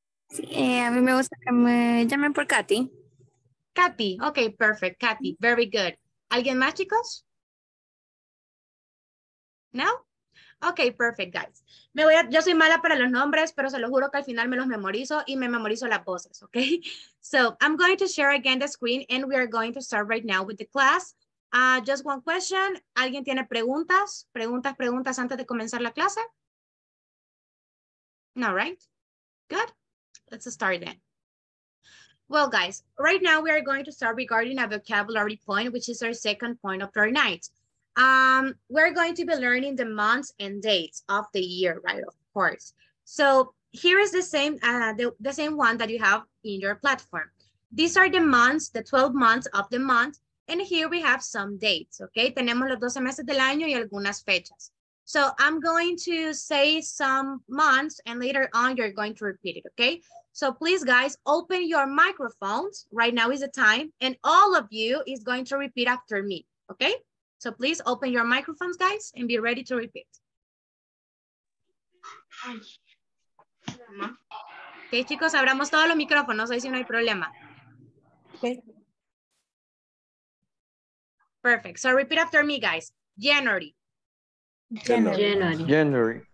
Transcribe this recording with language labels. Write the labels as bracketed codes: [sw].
[es] Sí, a mí me gusta que me llamen por Katy. [en] Katy, ok, perfect, Katy, very good. [es] ¿Alguien más, chicos? [en] No? Ok, perfect, guys. [es] Yo soy mala para los nombres, pero se lo juro que al final me los memorizo y me memorizo las voces, ok? [en] So, I'm going to share again the screen and we are going to start right now with the class. Just one question. [es] ¿Alguien tiene preguntas? ¿Preguntas antes de comenzar la clase? [en] No, right? Good. Let's start then. Well, guys, right now we are going to start regarding a vocabulary point, which is our second point of our night. We're going to be learning the months and dates of the year, right, of course. So here is the same one that you have in your platform. These are the months, the 12 months of the month, And here we have some dates, okay? [es] Tenemos los 12 meses del año y algunas fechas. [en] So I'm going to say some months and later on you're going to repeat it, okay? So please, guys, open your microphones. Right now is the time. And all of you is going to repeat after me, okay? So please open your microphones, guys, and be ready to repeat. [es] Okay, chicos, abramos todos los micrófonos, ahí sí no hay problema. [en] Okay. Perfect. So repeat after me, guys. January. January. January.